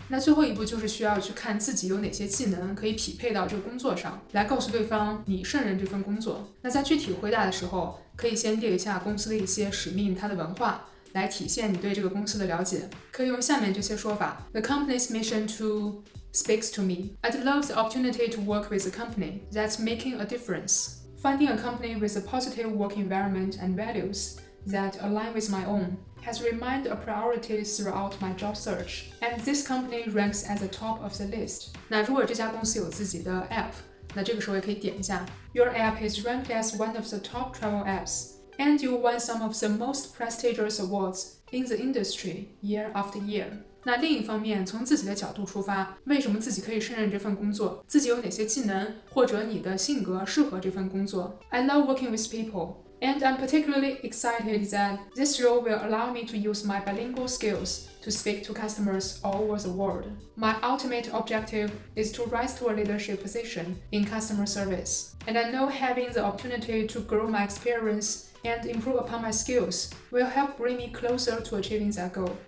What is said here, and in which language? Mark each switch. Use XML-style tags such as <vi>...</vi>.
<zh>那最后一步就是需要去看自己有哪些技能可以匹配到这个工作上，来告诉对方你胜任这份工作。那在具体回答的时候，可以先列一下公司的一些使命，它的文化，来体现你对这个公司的了解。可以用下面这些说法</zh> <en>The company's mission toSpeaks to me. I'd love the opportunity to work with a company that's making a difference. Finding a company with a positive work environment and values that align with my own has remained a priority throughout my job search. And this company ranks at the top of the list.</en> <zh>那如果这家公司有自己的 app， 那这个时候也可以点一下。</zh> <en>Your app is ranked as one of the top travel apps, and you won some of the most prestigious awards in the industry year after year.</en> <zh>那另一方面，从自己的角度出发，为什么自己可以胜任这份工作？自己有哪些技能，或者你的性格适合这份工作</zh> <en>？I love working with people, and I'm particularly excited that this role will allow me to use my bilingual skills to speak to customers all over the world. My ultimate objective is to rise to a leadership position in customer service, and I know having the opportunity to grow my experience and improve upon my skills will help bring me closer to achieving that goal.</en>